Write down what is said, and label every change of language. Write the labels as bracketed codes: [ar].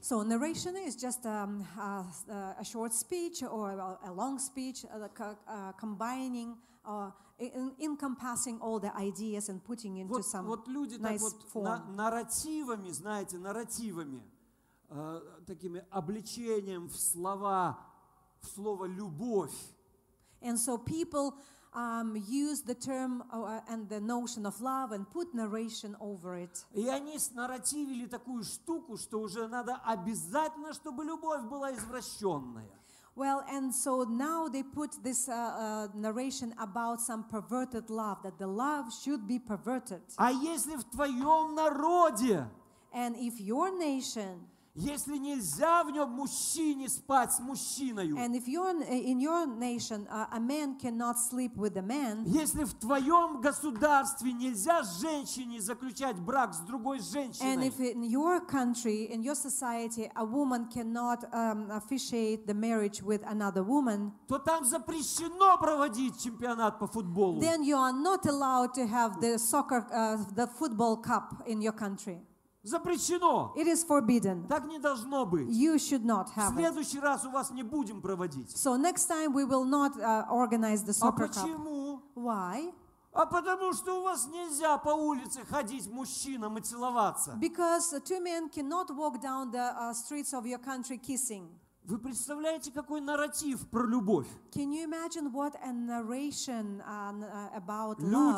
[en] So narration is just a short speech or a long speech, combining or encompassing all the ideas and putting into [ru] вот, [en] some [ru] вот люди [en] nice [ru] так вот [en] form. [ru] Нарративами, знаете, нарративами. Такими обличением в слова, в слово «любовь». [en] And so people use the term and the notion of love and put narration over it. [ru] И они снарративили такую штуку, что уже надо обязательно, чтобы любовь была извращенная. [en] Well, and so now they put this narration about some perverted love, that the love should be perverted. [ru] А если в твоем народе... [en] And if your nation... [ru] Если нельзя в нем мужчине спать с мужчиной. [en] And if you're in your nation, a man cannot sleep with a man. [ru] Если в твоем государстве нельзя женщине заключать брак с другой женщиной. [en] And if in your country, in your society, a woman cannot officiate the marriage with another woman. [ru] То там запрещено проводить чемпионат по футболу. [en] Then you are not allowed to have the soccer, the football cup in your country. [ru] Запрещено. [en] It is forbidden. [ru] Так не должно быть. [en] You should not have it. [ru] В следующий раз у вас не будем проводить. [en] So next time we will not organize the soccer cup. [ru] А почему? [en] Why? [ru] А потому что у вас нельзя по улице ходить мужчинам и целоваться. [en] Because two men cannot walk down the streets of your country kissing. [ru] Вы представляете, какой нарратив про любовь? [en] Can you imagine what a narration about love?